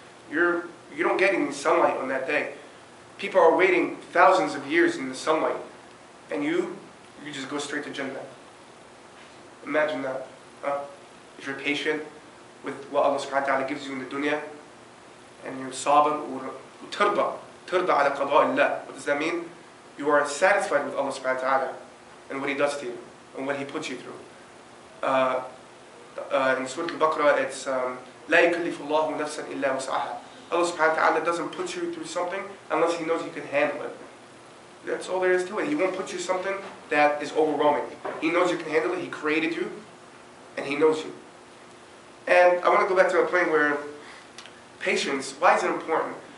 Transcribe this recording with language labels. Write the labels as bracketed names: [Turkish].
[English] You don't get any sunlight on that day. People are waiting thousands of years in the sunlight, and you just go straight to Jannah. Imagine that. If you're patient with what Allah subhanahu wa ta'ala gives you in the dunya, and you're sabr, [Arabic] turda ala qada illah. [English] What does that mean? You are satisfied with Allah subhanahu wa ta'ala and what He does to you and what He puts you through. In Surah Al-Baqarah, it's [Arabic] لَا يُكَلِّفُ اللَّهُ نَفْسًا إِلَّا وُسْعَهَا. [English] Allah subhanahu wa ta'ala doesn't put you through something unless He knows you can handle it. That's all there is to it. He won't put you something that is overwhelming. He knows you can handle it. He created you, and He knows you. And I want to go back to a point where patience, why is it important?